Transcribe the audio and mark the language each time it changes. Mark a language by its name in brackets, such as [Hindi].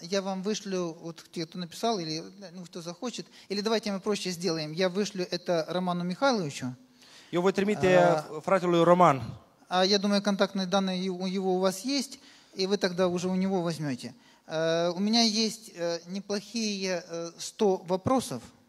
[Russian] Я вам вышлю, вот кто написал, или ну, кто захочет, или давайте мы проще сделаем. Я вышлю это Роману Михайловичу. [Romanian] Eu voi trimite fratelui Роман. [Russian] Я думаю, контактные данные у него у вас есть, и вы тогда уже у него возьмете. У меня есть неплохие 100 вопросов.